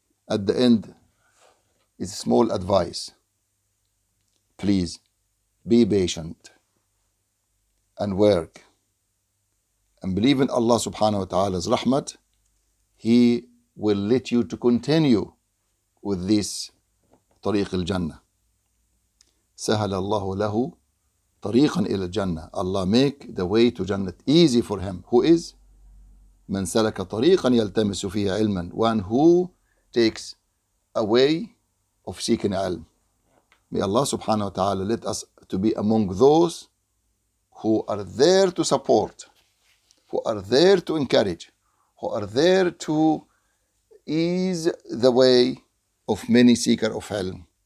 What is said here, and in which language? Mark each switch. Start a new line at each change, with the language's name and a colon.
English: At the end, it's small advice. Please, be patient and work. And believe in Allah subhanahu wa ta'ala's rahmat, He will let you to continue with this tariq al-jannah.
Arabic: سهل الله له طريقا إلى الجنة.
English: Allah make the way to Jannah easy for him. Who is?
Arabic: من سلك طريقا يلتمس فيه علما.
English: One who takes a way of seeking علم. May Allah subhanahu wa ta'ala let us to be among those who are there to support, who are there to encourage, who are there to ease the way of many seekers of علم.